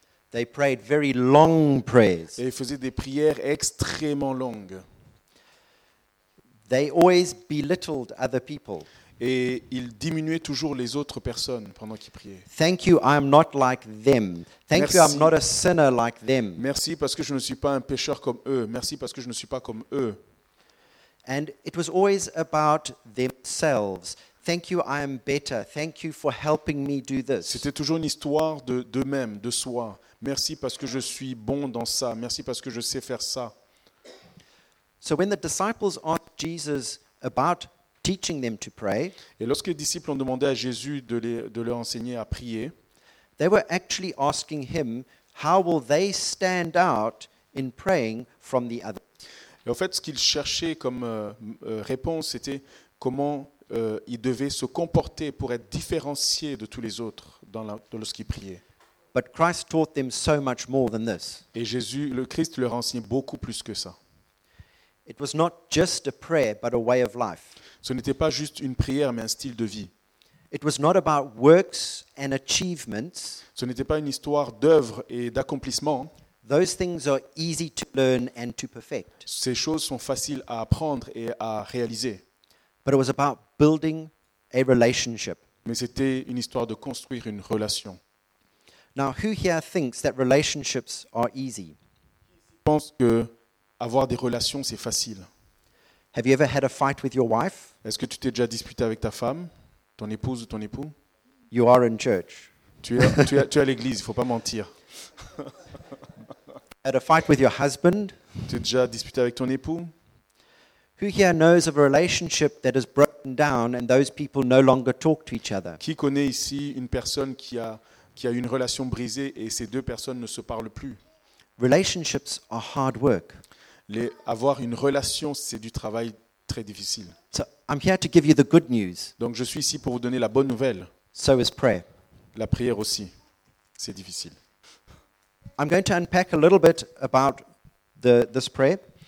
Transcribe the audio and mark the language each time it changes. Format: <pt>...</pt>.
<en>They prayed very long prayers.</en> <fr>Et ils faisaient des prières extrêmement longues.</fr> <en>They always belittled other people.</en> <fr>Et ils diminuaient toujours les autres personnes pendant qu'ils priaient.</fr> <en>Thank you, I am not like them. Thank Merci. You, I'm not a sinner like them.</en> <fr>Merci parce que je ne suis pas un pécheur comme eux. Merci parce que je ne suis pas comme eux.</fr> <en>And it was always about themselves. Thank you, I am better. Thank you for helping me do this.</en> <fr>C'était toujours une histoire d'eux-mêmes, de soi. Merci parce que je suis bon dans ça. Merci parce que je sais faire ça.</fr> <en>So when the disciples asked Jesus about teaching them to pray,</en> <fr>et lorsque les disciples ont demandé à Jésus de leur enseigner à prier,</fr> <en>they were actually asking him how will they stand out in praying from the other.</en> <fr>Et en fait, ce qu'ils cherchaient comme réponse, c'était comment ils devaient se comporter pour être différenciés de tous les autres dans lorsqu'ils priaient.</fr> <en>But Christ taught them so much more than this.</en> <fr>Et Jésus, le Christ, leur enseignait beaucoup plus que ça.</fr> <en>It was not just a prayer, but a way of life.</en> <fr>Ce n'était pas juste une prière, mais un style de vie.</fr> <en>It was not about works and achievements.</en> <fr>Ce n'était pas une histoire d'œuvres et d'accomplissements.</fr> <en>Those things are easy to learn and to perfect.</en> <fr>Ces choses sont faciles à apprendre et à réaliser.</fr> <en>But it was about building a relationship.</en> <fr>Mais c'était une histoire de construire une relation.</fr> <en>Now, who here thinks that relationships are easy?</en> <fr>Je pense que avoir des relations, c'est facile.</fr> <en>Have you ever had a fight with your wife?</en> <fr>Est-ce que tu t'es déjà disputé avec ta femme, ton épouse ou ton époux?</fr> <en>You are in church.</en> <fr>Tu es à l'église, il ne faut pas mentir.</fr> <en>Had a fight with your husband?</en> <fr>Tu t'es déjà disputé avec ton époux?</fr> <en>Who here knows of a relationship that has broken down and those people no longer talk to each other?</en> <fr>Qui connaît ici une personne qui a une relation brisée et ces deux personnes ne se parlent plus?</fr> <en>Relationships are hard work.</en> <fr>Avoir une relation, c'est du travail très difficile.</fr> <en>So I'm here to give you the good news.</en> <fr>Donc je suis ici pour vous donner la bonne nouvelle.</fr> <en>So is prayer.</en> <fr>La prière aussi, c'est difficile.</fr> <en>I'm going to unpack a little bit about this prayer.</en>